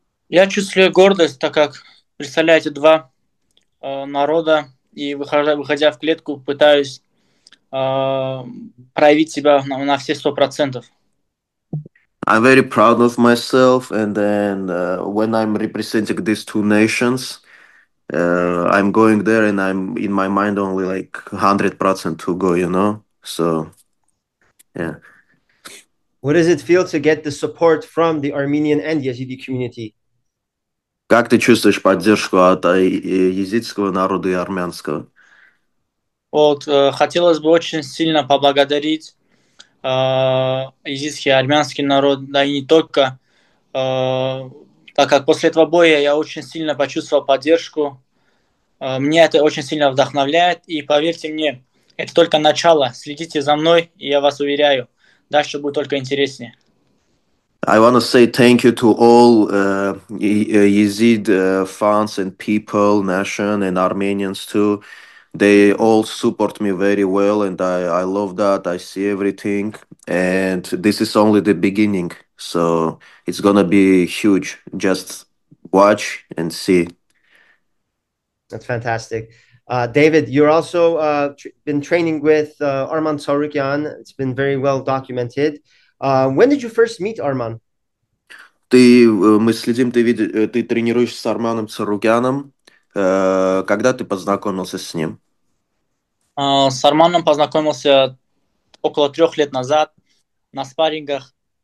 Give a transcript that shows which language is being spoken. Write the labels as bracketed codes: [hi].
[ru] Я чувствую гордость, так как, представляете, два народа, и выходя в клетку, пытаюсь проявить себя на все 100%. [en] I'm very proud of myself, and then when I'm representing these two nations, I'm going there, and I'm in my mind only like 100% to go, you know? So, yeah. What does it feel to get the support from the Armenian and Yazidi community? [ru] Как ты чувствуешь поддержку от езидского народа и армянского? Вот, хотелось бы очень сильно поблагодарить езидский, армянский народ, да и не только, так как после этого боя я очень сильно почувствовал поддержку. Мне это очень сильно вдохновляет, и поверьте мне, это только начало. Следите за мной, и я вас уверяю, дальше будет только интереснее. [en] I want to say thank you to all Yazid fans and people, nation and Armenians too. They all support me very well, and I love that. I see everything, and this is only the beginning. So it's gonna be huge. Just watch and see. That's fantastic. David, you're also been training with Arman Tsarukyan. It's been very well documented. When did you first meet Arman? [ru] Мы следим, ты видишь, ты тренируешься с Арманом Царукяном. Когда ты познакомился с ним? С Арманом познакомился около 3 лет назад на спаррингах.